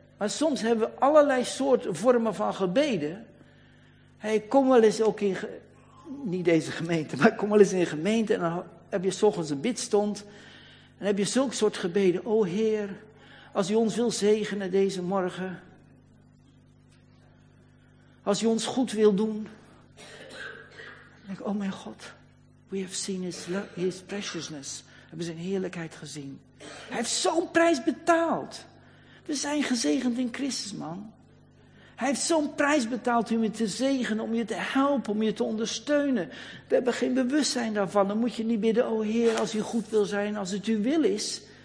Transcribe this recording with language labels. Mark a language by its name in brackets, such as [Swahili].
[Dutch] Maar soms hebben we allerlei soorten vormen van gebeden. Hey, kom wel eens ook in... Niet deze gemeente, maar kom wel eens in een gemeente en dan heb je 's ochtends een bidstond. En heb je zulk soort gebeden. O Heer, als u ons wil zegenen deze morgen. Als u ons goed wil doen. Dan denk ik, oh mijn God, [English] we have seen his preciousness. [Dutch] We hebben zijn heerlijkheid gezien. Hij heeft zo'n prijs betaald. We zijn gezegend in Christus, man. Hij heeft zo'n prijs betaald om je te zegenen, om je te helpen, om je te ondersteunen. We hebben geen bewustzijn daarvan. Dan moet je niet bidden, o Heer, als u goed wil zijn, als het uw wil is.